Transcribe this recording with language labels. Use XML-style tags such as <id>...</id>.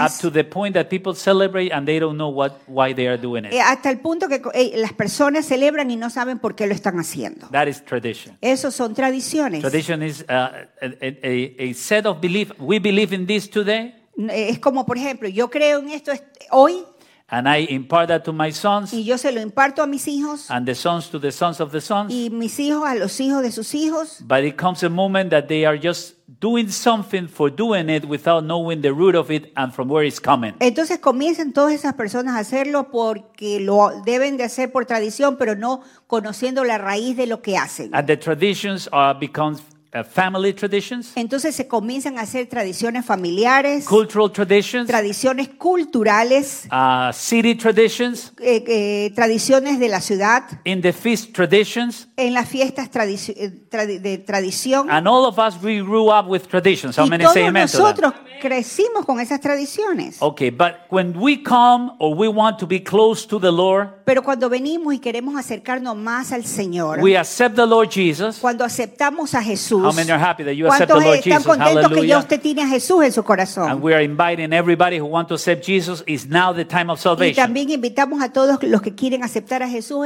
<en>Up to the point that people celebrate and they don't know why they are doing it.</en> <es>Hasta el punto que las personas celebran y no saben por qué lo están haciendo.</es> <en>That is tradition.</en> <es>Esos son tradiciones.</es> <en>Tradition is a set of beliefs. We believe in this today.</en> <es>Es como, por ejemplo, yo creo en esto hoy.</es> <en>And I impart that to my sons.</en> <es>Y yo se lo imparto a mis hijos.</es> <en>And the sons to the sons of the sons.</en> <es>Y mis hijos a los hijos de sus hijos.</es> <en>But it comes a moment that they are just doing something for doing it without knowing the root of it and from where it's coming.</en> <es>Entonces comienzan todas esas personas a hacerlo porque lo deben de hacer por tradición, pero no conociendo la raíz de lo que hacen.</es> <en>And the traditions become family traditions.</en> <es>Entonces se comienzan a hacer tradiciones familiares.</es> <en>Cultural traditions.</en> <es>Tradiciones culturales.</es> <en>City traditions.</en> <es>Tradiciones de la ciudad.</es> <en>In the feast traditions.</en> <es>En las fiestas de tradición.</es> <en>And all of us we grew up with traditions. How many say amen to that?</en> <es>Y todos nosotros crecimos con esas tradiciones.</es> <en>Okay, but when we come or we want to be close to the Lord.</en> <es>Pero cuando venimos y queremos acercarnos más al Señor.</es> <en>We accept the Lord Jesus.</en> <es>Cuando aceptamos a Jesús.</es> <en>How many are happy that you accept the Lord Jesus? Hallelujah. And we are inviting everybody who wants to accept Jesus. It's now the time of salvation.</en> <es>Y también invitamos a todos los que quieren aceptar a Jesús.</es>